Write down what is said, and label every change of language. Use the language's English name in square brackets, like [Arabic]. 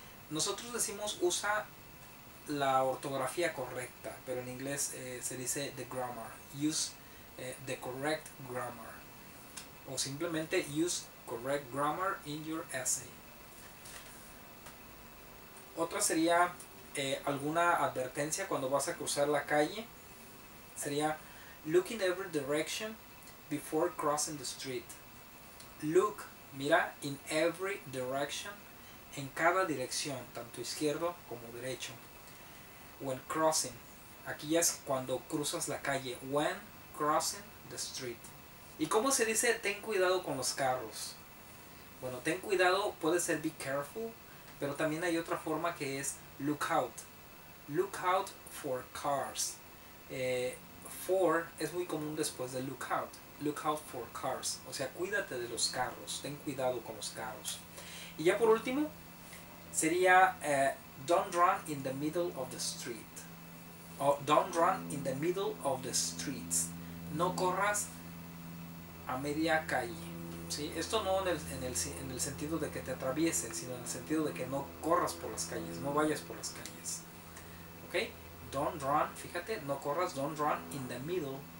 [Spanish] Nosotros decimos usa la ortografía correcta, pero en inglés se dice the grammar. [English] Use the correct grammar. O simplemente use correct grammar in your essay. [Spanish] Otra sería alguna advertencia cuando vas a cruzar la calle. [English] Sería look in every direction before crossing the street. [Spanish] Look, mira in every direction, en cada dirección, tanto izquierdo como derecho. When crossing, aquí ya es cuando cruzas la calle. When crossing the street. ¿Y cómo se dice ten cuidado con los carros? Bueno, ten cuidado puede ser be careful, pero también hay otra forma que es look out. [English] Look out for cars. For es muy común después de look out. [Spanish] Look out for cars. O sea, cuídate de los carros. Ten cuidado con los carros. [English] Y ya por último, sería don't run in the middle of the street. O don't run in the middle of the streets. [Spanish] No corras a media calle, ¿sí? Esto no en el sentido de que te atraviesen, sino en el sentido de que no corras por las calles, no vayas por las calles. [English] ¿Ok? Don't run, fíjate, no corras, don't run in the middle.